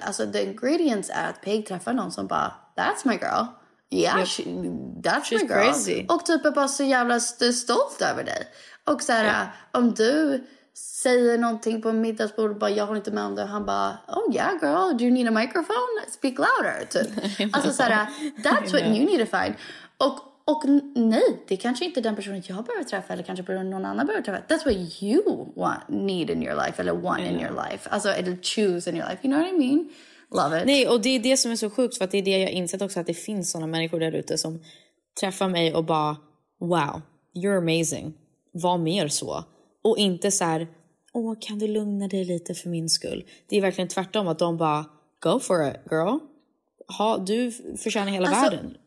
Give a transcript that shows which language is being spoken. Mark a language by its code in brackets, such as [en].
[sv] Alltså the ingredients är att Peg träffar någon som bara, [en] that's my girl. Yeah, yep. She's my girl. Crazy. [sv] Och typ är bara så jävla stolt över dig. Och så här, om du säger någonting på middagsbordet, bara jag har inte med om det. Han bara, [en] oh yeah girl, do you need a microphone? Speak louder. Typ. [sv] Alltså så här, [en] that's what you need to find. [sv] Och nej, det är kanske inte den personen jag behöver träffa. Eller kanske någon annan behöver träffa. [en] That's what you need in your life. Eller want in your life. Alltså it'll choose in your life. You know what I mean? Love it. [sv] Nej, och det är det som är så sjukt, för att det är det jag insett också, att det finns såna människor där ute som träffar mig och bara, [en] wow, you're amazing. [sv] Var mer så. Och inte så här, åh, kan du lugna dig lite för min skull? Det är verkligen tvärtom, att de bara, [en] go for it, girl. [sv] Ha, du förtjänar hela alltså, världen.